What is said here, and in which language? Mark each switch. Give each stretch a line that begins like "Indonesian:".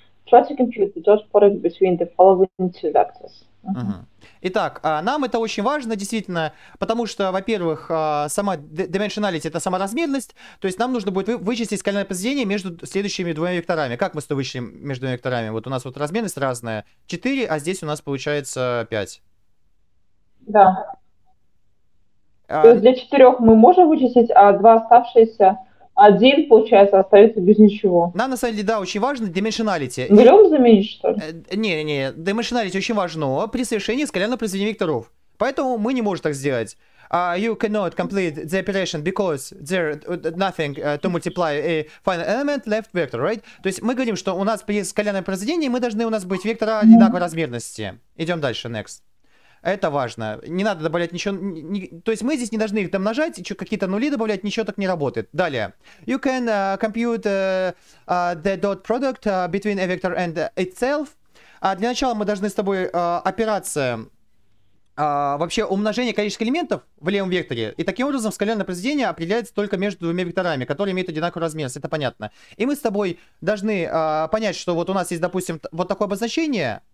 English: Try to compute the dot product between the following two vectors.
Russian: Итак, нам это очень важно, действительно, потому что, во-первых, сама dimensionality — это сама размерность, то есть нам нужно будет вычислить скалярное произведение между следующими двумя векторами. Как мы с тобой вычислим между двумя векторами? Вот у нас вот размерность разная, 4, а здесь у нас получается 5. Да. То есть для 4 мы можем вычислить, а 2 оставшиеся, 1, получается, остается без ничего. Нам, на самом деле, да, очень важно dimensionality. Берем заменить, что ли? Не-не-не, dimensionality очень важно при совершении скалярного произведения векторов. Поэтому мы не можем так сделать.
English: You cannot complete the operation because there nothing to multiply a final element left vector, right?
Russian: То есть мы говорим, что у нас при скалярном произведении мы должны у нас быть вектора одинаковой размерности. Идем дальше, next. Это важно. Не надо добавлять ничего. То есть мы здесь не должны их домножать, еще какие-то нули добавлять, ничего так не работает. Далее.
English: You can compute the dot product between a vector and itself.
Russian: Для начала мы должны с тобой опираться вообще умножение количества элементов в левом векторе. И таким образом скалярное произведение определяется только между двумя векторами, которые имеют одинаковую размерность. Это понятно. И мы с тобой должны понять, что вот у нас есть, допустим, вот такое обозначение.